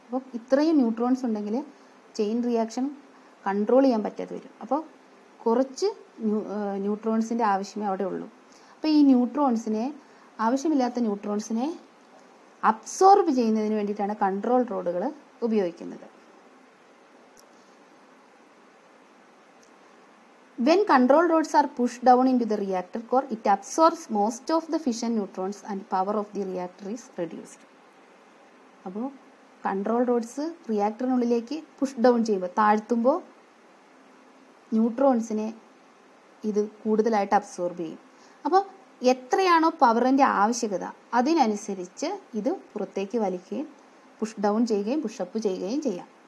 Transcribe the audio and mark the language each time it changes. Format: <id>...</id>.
<ml>അപ്പോൾ ഇത്രയും ന്യൂട്രോൺസ് ഉണ്ടെങ്കിൽ ചെയിൻ റിയാക്ഷൻ കൺട്രോൾ ചെയ്യാൻ പറ്റാതെ വരും. അപ്പോൾ കുറച്ച് ന്യൂട്രോൺസിൻ്റെ ആവശ്യമേ അവിടെ ഉള്ളൂ. അപ്പോൾ ഈ ന്യൂട്രോൺസിനെ, ആവശ്യമില്ലാത്ത ന്യൂട്രോൺസിനെ അബ്സോർബ് ചെയ്യുന്നതിന് വേണ്ടിയിട്ടാണ് കൺട്രോൾ റോഡുകൾ ഉപയോഗിക്കുന്നത്.</ml> <en>When control rods are pushed down into the reactor core, it absorbs most of the fission neutrons and power of the reactor is reduced.</en> <ml>അപ്പോൾ കൺട്രോൾ റോഡ്സ് റിയാക്ടറിനുള്ളിലേക്ക് പുഷ് ഡൗൺ ചെയ്യുമ്പോൾ, താഴ്ത്തുമ്പോൾ ന്യൂട്രോൺസിനെ ഇത് കൂടുതലായിട്ട് അബ്സോർബ് ചെയ്യും. അപ്പോൾ എത്രയാണോ പവറിൻ്റെ ആവശ്യകത അതിനനുസരിച്ച് ഇത് പുറത്തേക്ക് വലിക്കുകയും പുഷ് ഡൗൺ ചെയ്യുകയും പുഷപ്പ് ചെയ്യുകയും ചെയ്യാം.</ml>